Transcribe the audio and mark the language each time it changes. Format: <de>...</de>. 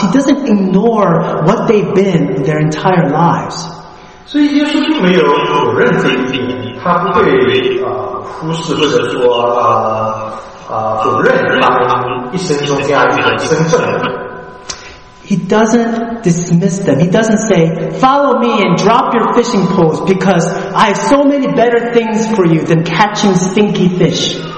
<en>He doesn't ignore what they've been their entire lives.</en> <zh>So, Jesus 并没有否认这一点，他不会忽视或者说否认他们一生中这样一种身份。</zh> <en>He doesn't dismiss them. He doesn't say, follow me and drop your fishing poles because I have so many better things for you than catching stinky fish.</en>